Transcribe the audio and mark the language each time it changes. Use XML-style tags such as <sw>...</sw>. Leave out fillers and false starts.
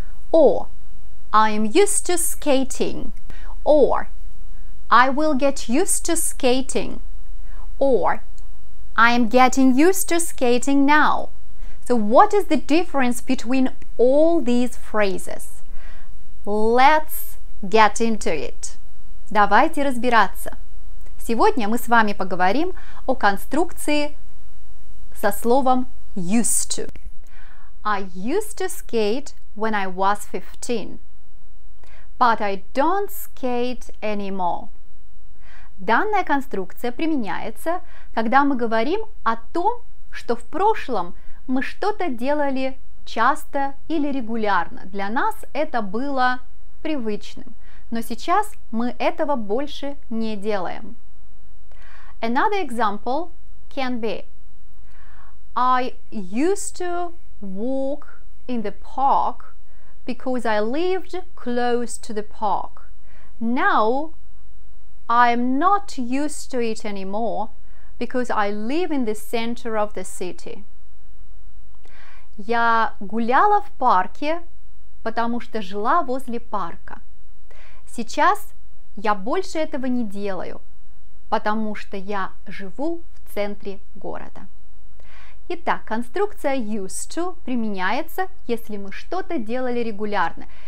<en>Or I am used to skating. Or I will get used to skating. Or I am getting used to skating now. So what is the difference between all these phrases? Let's get into it.</en> <ru>Давайте разбираться. Сегодня мы с вами поговорим о конструкции со словом used to.</ru> <en>I used to skate when I was 15. But I don't skate anymore.</en> <ru>Данная конструкция применяется, когда мы говорим о том, что в прошлом мы что-то делали часто или регулярно. Для нас это было привычным. Но сейчас мы этого больше не делаем.</ru> <en>Another example can be: I used to walk in the park because I lived close to the park. Now I'm not used to it anymore because I live in the center of the city.</en> <ru>Я гуляла в парке, потому что жила возле парка. Сейчас я больше этого не делаю, потому что я живу в центре города. Итак, конструкция used to применяется, если мы что-то делали регулярно.</ru>